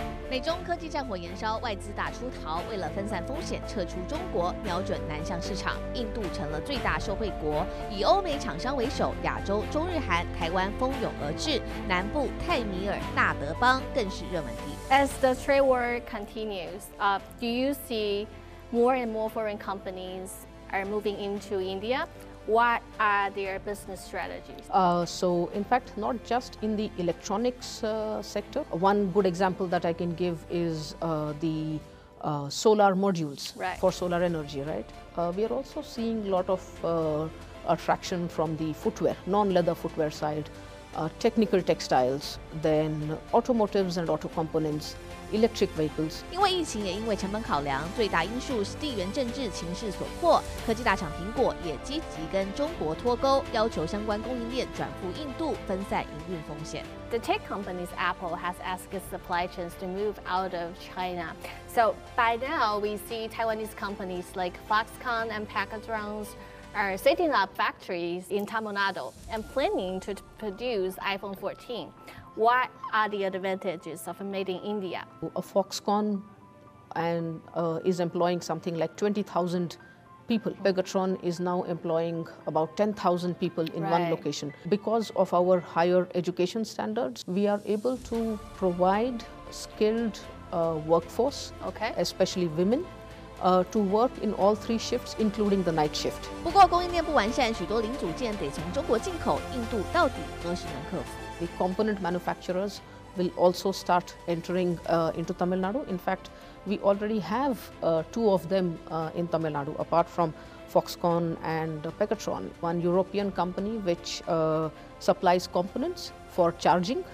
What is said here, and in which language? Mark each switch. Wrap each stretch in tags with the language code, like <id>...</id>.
<zh>美中科技战火延烧，外资大出逃，为了分散风险撤出中国，瞄准南向市场，印度成了最大受惠国，以欧美厂商为首，亚洲中日韩台湾蜂拥而至，南部泰米尔纳德邦更是热门地。</zh> <en>As the trade war continues, do you see more and more foreign companies are moving into India? What are their business strategies? So in fact, not just in the electronics sector. One good example that I can give is solar modules, right, for solar energy, right? We are also seeing a lot of attraction from the footwear, non-leather footwear side, technical textiles, then automotives and auto components. Electric vehicles.</en> <zh>因为疫情也因为成本考量，最大因素是地缘政治情势所迫，科技大厂苹果也积极跟中国脱钩，要求相关供应链转赴印度，分散营运风险。</zh> <en>The tech company's Apple has asked its supply chains to move out of China. So by now we see Taiwanese companies like Foxconn and Pegatron are setting up factories in Tamil Nadu and planning to produce iPhone 14. What are the advantages of made in India? A Foxconn and, is employing something like 20,000 people. Pegatron is now employing about 10,000 people in one location. Because of our higher education standards, we are able to provide skilled workforce, especially women. To work in all three shifts, including the night shift.</en> <zh>不过供应链不完善，许多零组件得从中国进口。印度到底何时能克服？</zh> <en>The component manufacturers will also start entering into Tamil Nadu. In fact, we already have two of them in Tamil Nadu, apart from Foxconn and Pegatron, one European company which supplies components. For charging.</en>